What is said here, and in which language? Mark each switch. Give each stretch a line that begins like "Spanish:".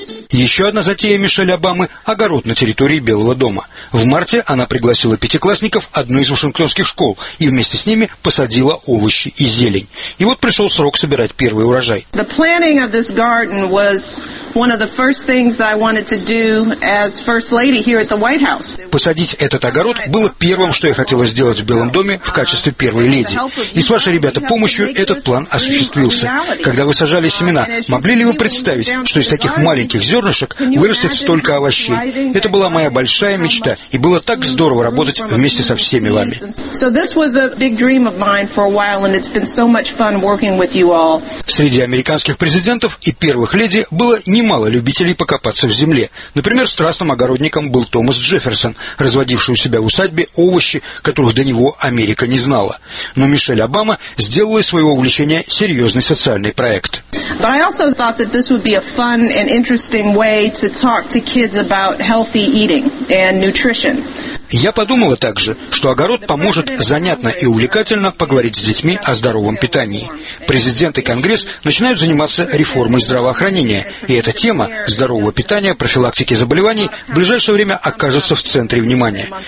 Russian: Еще одна затея Мишель Обамы – огород на территории Белого дома. В марте она пригласила пятиклассников одной из вашингтонских школ и вместе с ними посадила овощи и зелень. И вот пришел срок собирать первый урожай.
English: The planning of this garden was one of the first things I wanted to do as first lady here at the White House.
Russian: Посадить этот огород было первым, что я хотела сделать в Белом доме в качестве первой леди. И с вашей, ребята, помощью этот план осуществился. Когда вы сажали семена, могли ли вы представить, что из таких маленьких зернышек вырастет столько овощей? Это была моя большая мечта, и было так здорово работать вместе со всеми вами.
English: So this was a big dream of mine for a while, and it's been so much fun working with you all.
Russian: Среди американских президентов и первых леди было немало любителей покопаться в земле. Например, страстным огородником был Томас Джефферсон, разводивший у себя в усадьбе овощи, которых до него Америка не знала. Но Мишель Обама сделала из своего увлечения серьезный социальный проект.
English: But I also thought that this would be a fun and interesting way to talk to kids about healthy eating and nutrition.
Russian: Я подумала также, что огород поможет занятно и увлекательно поговорить с детьми о здоровом питании. Президент и Конгресс начинают заниматься реформой здравоохранения, и эта тема здорового питания, профилактики заболеваний в ближайшее время окажется в центре внимания.